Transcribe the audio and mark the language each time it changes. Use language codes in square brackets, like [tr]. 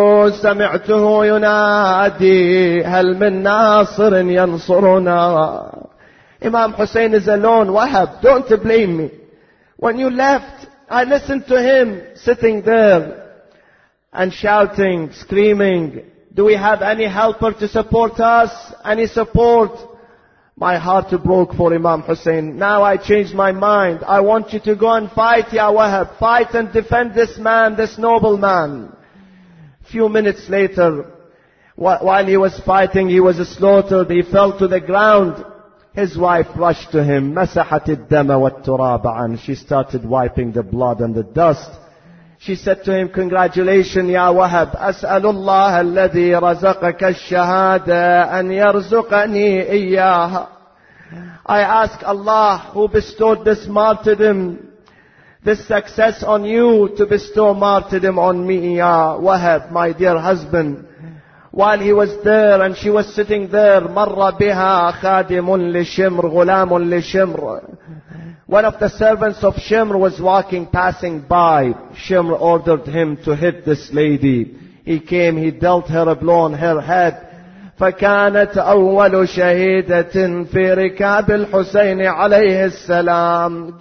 [ar] سمعته ينادي هل من ناصر ينصرنا. [en] Imam Hussein is alone. Wahab, don't blame me. When you left, I listened to him sitting there and shouting, screaming, do we have any helper to support us? Any support? My heart broke for Imam Hussein. Now I changed my mind. I want you to go and fight, Ya Wahab. Fight and defend this man, this noble man. Few minutes later, while he was fighting, he was slaughtered. He fell to the ground. His wife rushed to him. [ar] مسحت الدم والتراب عن. [en] She started wiping the blood and the dust. She said to him, congratulations, Ya Wahab. [ar] أسأل الله الذي رزقك الشهادة أن يرزقني إياها. [en] I ask Allah who bestowed this martyrdom, this success on you, to bestow martyrdom on me, Ya Wahab, my dear husband. While he was there and she was sitting there, [ar] مر بها خادم لشمر غلام لشمر. [en] One of the servants of Shimr was walking, passing by. Shimr ordered him to hit this lady. He came, he dealt her a blow on her head. [ar] فكانت أول شهيدة في ركاب الحسين عليه السلام.